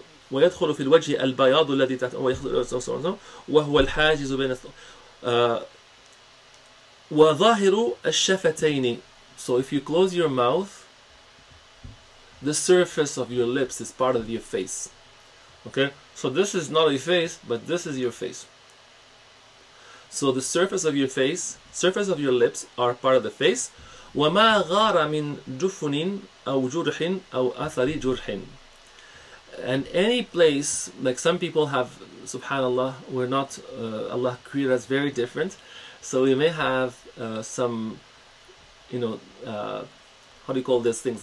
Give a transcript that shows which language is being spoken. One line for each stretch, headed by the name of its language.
Arabic: ويدخل في الوجه البياض الذي تحت وهو الحاجز بين وظاهر الشفتين.
English: So if you close your mouth, the surface of your lips is part of your face. Okay, so this is not your face, but this is your face. So the surface of your face, surface of your lips are part of the face.
Arabic: وما غار من جفن أو جرح أو أثر جرح.
English: And any place, like some people have, subhanAllah, we're not, Allah created us very different. So we may have some, you know, how do you call these things?